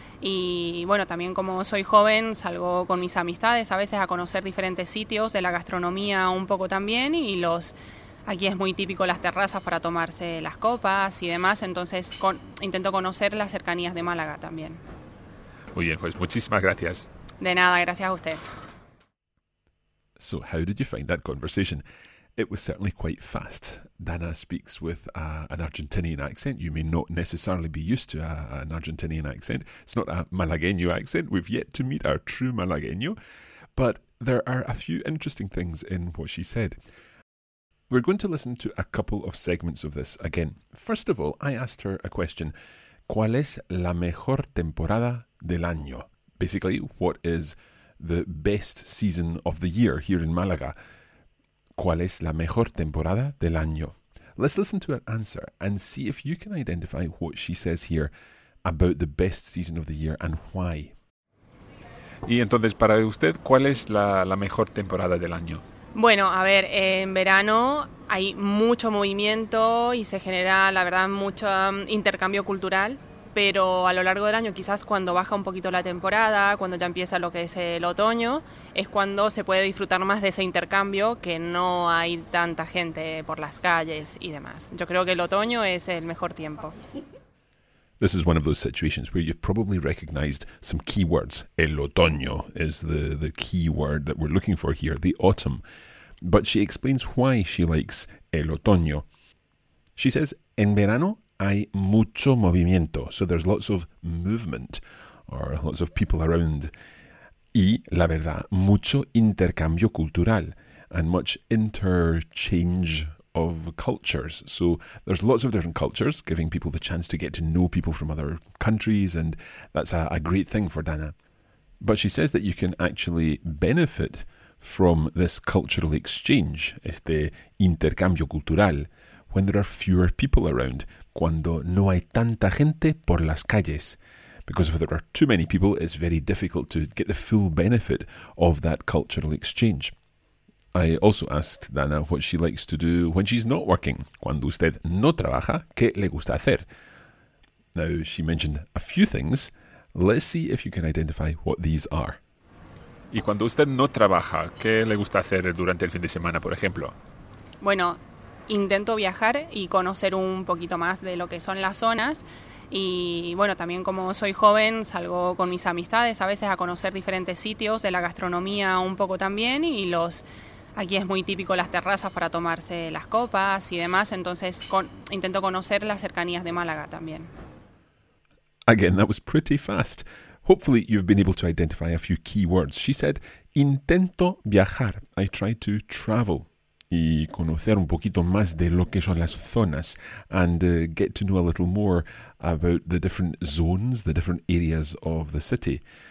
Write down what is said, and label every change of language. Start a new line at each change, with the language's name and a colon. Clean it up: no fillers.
Spanish: Y bueno, también como soy joven, salgo con mis amistades a veces a conocer diferentes sitios, de la gastronomía un poco también. Y los aquí es muy típico las terrazas para tomarse las copas y demás. Entonces intento conocer las cercanías de Málaga también. Muy bien, pues muchísimas gracias. De nada, gracias a usted.
English: So how did you find that conversation? It was certainly quite fast. Dana speaks with an Argentinian accent. You may not necessarily be used to an Argentinian accent. It's not a Malagueño accent. We've yet to meet our true Malagueño. But there are a few interesting things in what she said. We're going to listen to a couple of segments of this again. First of all, I asked her a question.
Spanish: ¿Cuál es la mejor temporada del año?
English: Basically, what is the best season of the year here in Málaga?
Spanish: ¿Cuál es la mejor temporada del año?
English: Let's listen to her answer and see if you can identify what she says here about the best season of the year and why.
Spanish: Y entonces, para usted, ¿cuál es la mejor temporada del año? Bueno, a ver, en verano hay mucho movimiento y se genera, la verdad, mucho intercambio cultural, pero a lo largo del año, quizás cuando baja un poquito la temporada, cuando ya empieza lo que es el otoño, es cuando se puede disfrutar más de ese intercambio, que no hay tanta gente por las calles y demás. Yo creo que el otoño es el mejor tiempo.
English: This is one of those situations where you've probably recognized some keywords. El otoño is the key word that we're looking for here, the autumn. But she explains why she likes el otoño. She says,
Spanish: en verano hay mucho movimiento.
English: So there's lots of movement or lots of people around.
Spanish: Y la verdad, mucho intercambio cultural
English: and much interchange of cultures. So there's lots of different cultures, giving people the chance to get to know people from other countries, and that's a great thing for Dana. But she says that you can actually benefit from this cultural exchange,
Spanish: este intercambio cultural,
English: when there are fewer people around,
Spanish: cuando no hay tanta gente por las calles.
English: Because if there are too many people, it's very difficult to get the full benefit of that cultural exchange. I also asked Dana what she likes to do when she's not working.
Spanish: Cuando usted no trabaja, ¿qué le gusta hacer?
English: Now, she mentioned a few things. Let's see if you can identify what these are.
Spanish: Y cuando usted no trabaja, ¿qué le gusta hacer durante el fin de semana, por ejemplo? Bueno, intento viajar y conocer un poquito más de lo que son las zonas. Y bueno, también como soy joven, salgo con mis amistades a veces a conocer diferentes sitios, de la gastronomía un poco también, y los... Aquí es muy típico las terrazas para tomarse las copas y demás, entonces intento conocer las cercanías de Málaga también.
English: Again, that was pretty fast. Hopefully you've been able to identify a few key words. She said,
Spanish: intento viajar.
English: I try to travel
Spanish: y conocer un poquito más de lo que son las zonas
English: and get to know a little more about the different zones, the different areas of the city.